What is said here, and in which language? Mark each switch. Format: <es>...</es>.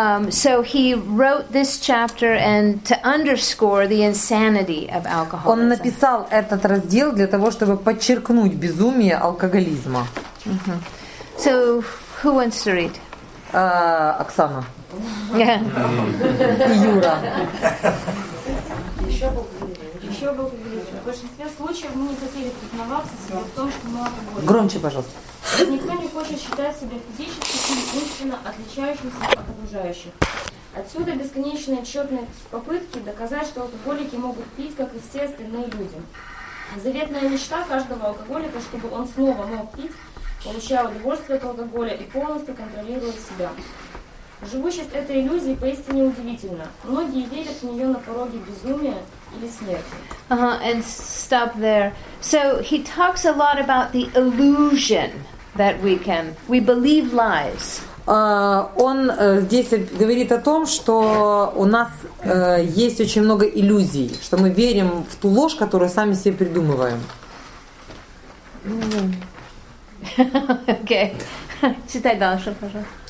<en>So he wrote this chapter and to underscore the insanity of alcoholism.</en> <ru>Он написал этот раздел для того, чтобы подчеркнуть безумие алкоголизма.</ru> <en>Mm-hmm. So who wants to read?</en> <ru>Оксана.</ru> <en>Yeah.</en> <ru>Юра. Еще был кагалист. В большинстве случаев мы не хотели признаваться себе в том, что мы алкоголики. Громче, пожалуйста. Никто не хочет считать себя физически или умственно отличающимся от окружающих. Отсюда бесконечные тщетные попытки доказать, что алкоголики могут пить, как и все остальные люди. Заветная мечта каждого алкоголика, чтобы он снова мог пить, получая удовольствие от алкоголя и полностью контролируя себя. Живучесть этой иллюзии поистине удивительна. Многие верят в нее на пороге безумия или смерти.</ru> <en>And stop there. So he talks a lot about the illusion that we can. We believe lies.</en> <ru>Он здесь говорит о том, что у нас есть очень много иллюзий, что мы верим в ту ложь, которую сами себе придумываем. Окей. Читай дальше, пожалуйста.</ru>